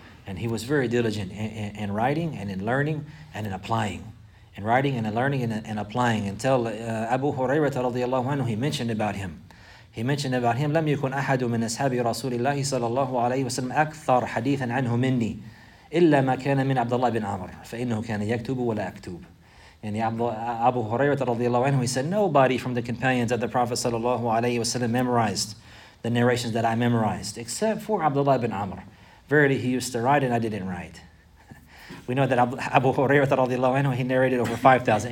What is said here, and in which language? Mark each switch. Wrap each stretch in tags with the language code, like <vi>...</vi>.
<en>And he was very diligent in writing and in learning and in applying. In writing and in learning and applying. Until Abu Hurairah radiallahu anhu, he mentioned about him,</en> <ar>لم يكن أحد من أصحاب رسول الله صلى الله عليه وسلم أكثر حديثا عنه مني إلا ما كان من عبد الله بن عمر فإنه كان يكتب ولا أكتب.</ar> <en>Abu Hurairah</en> <ar>رضي الله عنه,</ar> <en>he said, nobody from the companions of the Prophet</en> <ar>صلى الله عليه وسلم</ar> <en>memorized the narrations that I memorized except for Abdullah ibn Amr. Verily, he used to write and I didn't write. We know that Abu Hurairah</en> <ar>رضي الله عنه,</ar> <en>he narrated over 5,000.</en>